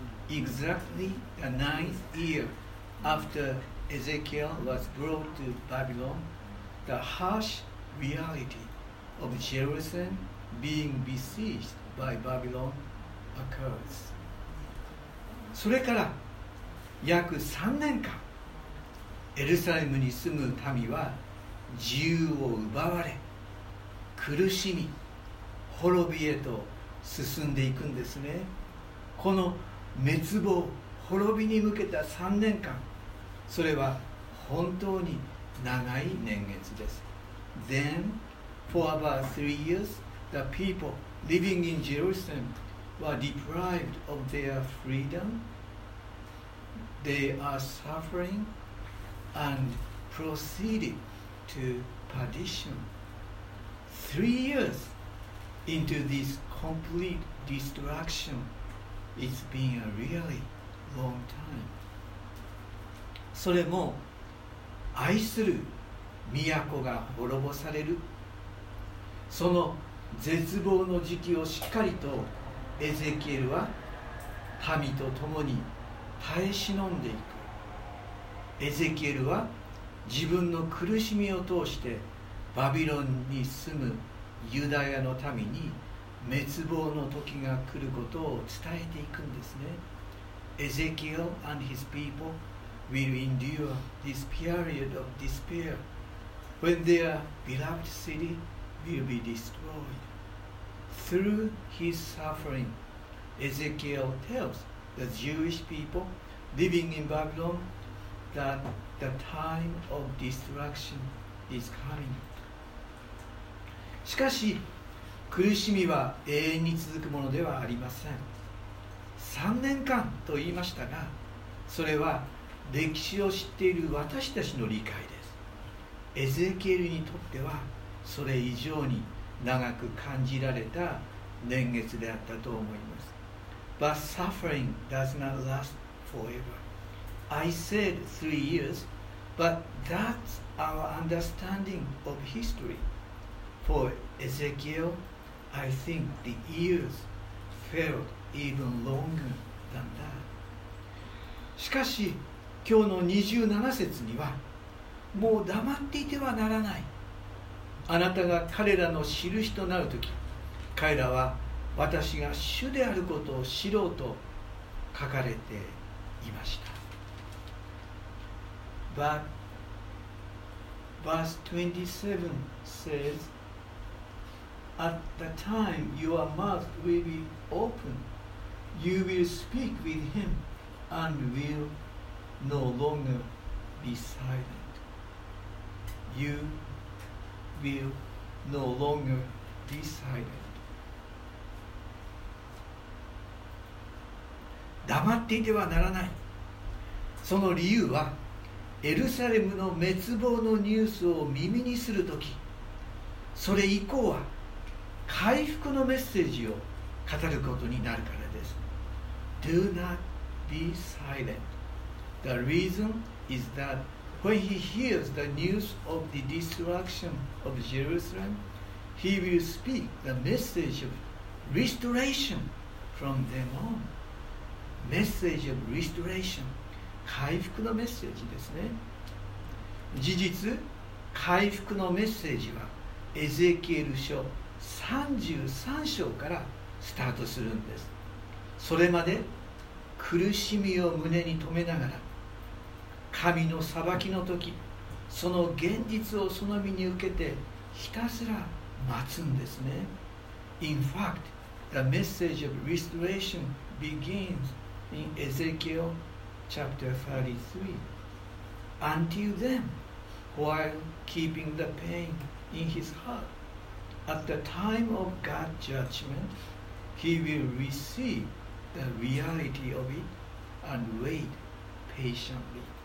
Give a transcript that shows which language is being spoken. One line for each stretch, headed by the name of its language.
English: Exactly the ninth year after Ezekiel was brought to Babylon, the harsh reality of Jerusalem being besieged by Babylon occurs.
Japanese: それから約3年間、エルサレムに住む民は自由を奪われ、苦しみ、滅びへと進んでいくんですね。この滅亡、滅びに向けた3年間、それは本当に長い年月です。
English: Then, for about 3 years, the people living in Jerusalem were deprived of their freedom. They are suffering and proceeded to perdition. 3 years into this complete destruction, it's been a really long time.
Japanese: それも愛する都が滅ぼされる、その絶望の時期をしっかりとエゼキエルは民と共に耐え忍んでいく。エゼキエルは自分の苦しみを通してバビロンに住むユダヤの民に滅亡の時が来ることを伝えていくんですね。
English: エゼキエル and his people will endure this period of despair when their beloved city will be destroyed. Through his suffering, Ezekiel tells. The Jewish people living in Babylon that the time of destruction is coming.
Japanese: しかし苦しみは永遠に続くものではありません。 3年間と言いましたが、それは歴史を知っている私たちの理解です。エゼキエルにとってはそれ以上に長く感じられた年月であったと思います。
English: But suffering does not last forever. I said 3 years, but that's our understanding of history. For Ezekiel, I think the years felt even longer than that.
Japanese: しかし、今日の27節には、もう黙っていてはならない。あなたが彼らの印となるとき、彼らは私が主であることを知ろうと書かれていました。
English: But verse 27 says, At the time your mouth will be open, you will speak with him and will no longer be silent. You will no longer be silent.
Japanese: 黙っていてはならない。その理由はエルサレムの滅亡のニュースを耳にするとき、それ以降は回復のメッセージを語ることになるからです。
English: Do not be silent. The reason is that when he hears the news of the destruction of Jerusalem, he will speak the message of restoration from then on. Message of restoration.
Japanese: 回復のメッセージですね。事実、回復のメッセージはエゼキエル書33章からスタートするんです。それまで苦しみを胸に留めながら、神の裁きの時、その現実をその身に受けてひたすら待つんですね。
English: In fact, the message of restoration begins in Ezekiel chapter 33. Until then, while keeping the pain in his heart, at the time of God's judgment, he will receive the reality of it and wait patiently.